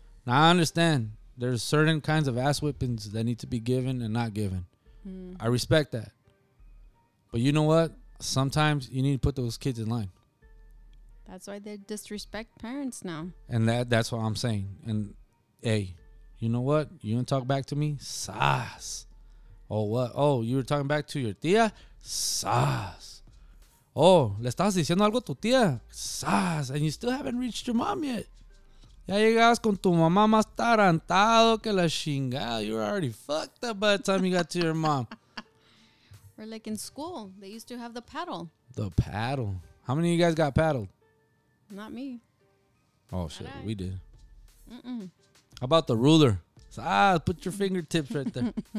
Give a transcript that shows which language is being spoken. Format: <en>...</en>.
<en>Now, I understand there's certain kinds of ass whippings that need to be given and not given. Mm. I respect that. But you know what? Sometimes you need to put those kids in line. That's why they disrespect parents now. And that's what I'm saying. And, hey, you know what? You want to talk back to me? Sass. Oh, what? Oh, you were talking back to your tía? Sass.</en> <es>Oh, le estás diciendo algo a tu tía?</es> <en>Sass. And you still haven't reached your mom yet.</en> <es>Ya llegas con tu mamá más tarantado que la chingada.</es> <en>You're already fucked up by the time you got to your mom. Or like in school, they used to have the paddle. The paddle. How many of you guys got paddled? Not me. Oh, shit. Not we did. Mm-mm. How about the ruler? Put your fingertips right there.</en>